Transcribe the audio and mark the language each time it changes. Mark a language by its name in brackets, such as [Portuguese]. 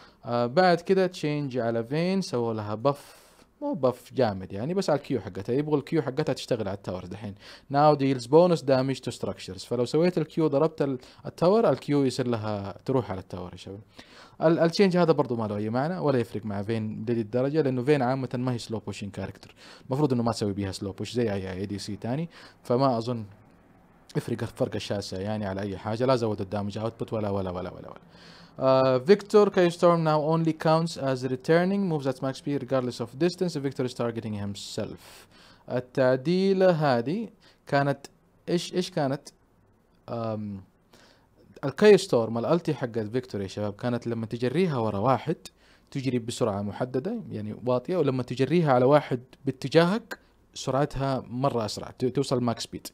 [Arabic] بعد كده تشينج على فين سووا لها بف، مو بف جامد يعني بس على الكيو حقتها، يبغوا الكيو حقتها تشتغل على التاور دحين، [English] now deals bonus damage to structures, [Arabic] فلو سويت الكيو ضربت التاور الكيو يصير لها تروح على التاور يا شباب. التشينج هذا برضو ما له اي معنى ولا يفرق مع فين لدي الدرجه، لانه فين عامه ما هي سلو بوشين كاركتر، المفروض انه ما تسوي بيها سلو بوش زي اي اي دي سي تاني، فما اظن يفرق فرق شاسع يعني على اي حاجه، لا زود الدامج اوتبوت ولا ولا ولا ولا, ولا. [English] Victor Kaystorm now only counts as returning moves at max speed regardless of distance. Victor is targeting himself. [Arabic] التعديلة هذه كانت ايش كانت؟ الكايستورم الالتي حقت فيكتور يا شباب كانت لما تجريها ورا واحد تجري بسرعة محددة يعني واطية، ولما تجريها على واحد باتجاهك سرعتها مرة أسرع، توصل الماكس سبيد.